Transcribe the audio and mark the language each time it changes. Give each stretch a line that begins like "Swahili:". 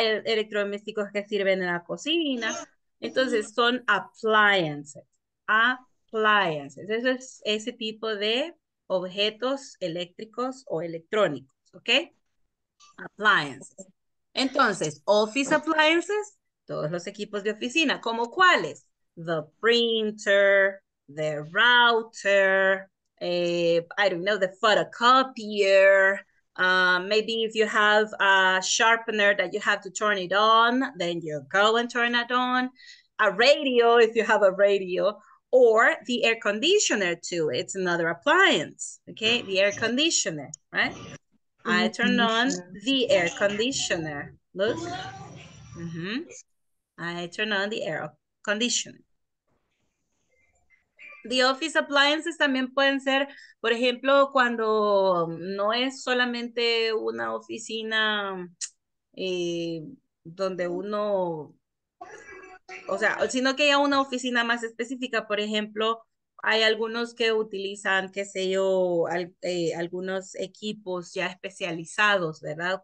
Spanish: Hay electrodomésticos que sirven en la cocina. Entonces, son appliances, appliances. Eso es ese tipo de objetos eléctricos o electrónicos, ¿ok? Appliances. Entonces, office appliances, todos los equipos de oficina, ¿cómo cuáles?
English: The printer, the router, I don't know, the photocopier, maybe if you have a sharpener that you have to turn it on, then you go and turn it on, a radio, if you have a radio, or the air conditioner too, it's another appliance, okay, the air conditioner, right? I turn on the air conditioner, look, I turn on the air conditioner.
Spanish: The office appliances también pueden ser, por ejemplo, cuando no es solamente una oficina donde uno, o sea, sino que ya una oficina más específica, por ejemplo, hay algunos que utilizan, qué sé yo, algunos equipos ya especializados, ¿verdad?